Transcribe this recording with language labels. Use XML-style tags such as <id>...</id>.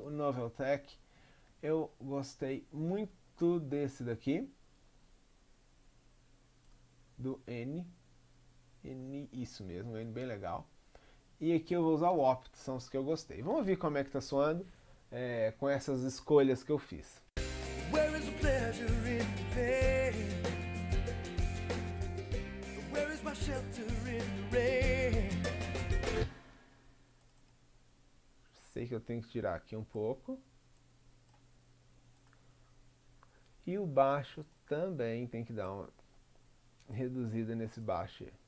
<pt>O Noveltech, eu gostei muito desse daqui. Do N, isso mesmo, N bem legal. E aqui eu vou usar o Opt, são os que eu gostei. Vamos ouvir como é que está soando com essas escolhas que eu fiz.</pt> <en>Where is the pleasure in the pain? Where is my shelter in the rain?</en> <pt>sei que eu tenho que tirar aqui um pouco. E o baixo também tem que dar uma reduzida nesse baixo.</pt>